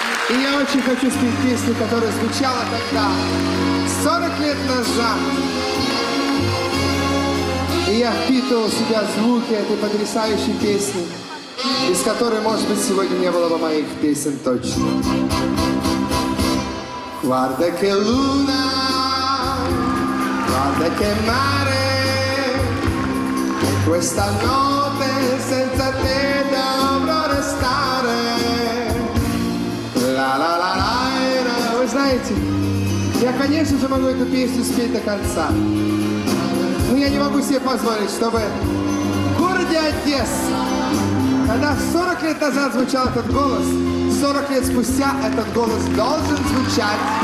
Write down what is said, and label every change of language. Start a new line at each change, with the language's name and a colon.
Russian: И я очень хочу спеть песню, которая звучала тогда, 40 лет назад. И я впитывал в себя звуки этой потрясающей песни, из которой, может быть, сегодня не было бы моих песен точно.
Italian: Guarda che luna, guarda che mare, questa notte senza te dovrò restare.
Russian: La la la la, вы знаете, я, конечно же, могу эту песню спеть до конца. Но я не могу себе позволить, чтобы в городе Одесса, когда 40 лет назад звучал этот голос, 40 лет спустя этот голос должен звучать.